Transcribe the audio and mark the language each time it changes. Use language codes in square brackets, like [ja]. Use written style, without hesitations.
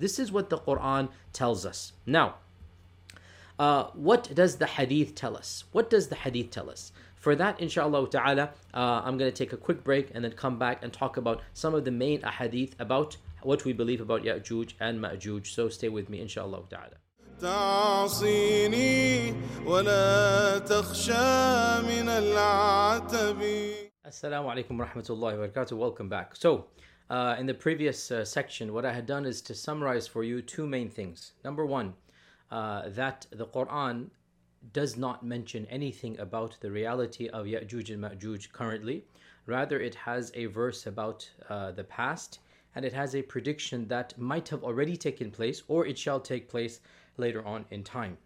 [en] This is what the Quran tells us. Now, what does the hadith tell us? What does the hadith tell us? For that, inshallah ta'ala, I'm going to take a quick break and then come back and talk about some of the main ahadith about what we believe about Ya'juj and Ma'juj. So stay with me, inshallah ta'ala. [ar] تعصيني ولا تخشى من العتب. [en] Assalamu alaikum wa rahmatullahi wa barakatuh. Welcome back. So, in the previous section, what I had done is to summarize for you two main things. Number one, that the Quran does not mention anything about the reality of Ya'juj and Ma'juj currently. Rather, it has a verse about the past, and it has a prediction that might have already taken place, or it shall take place later on in time.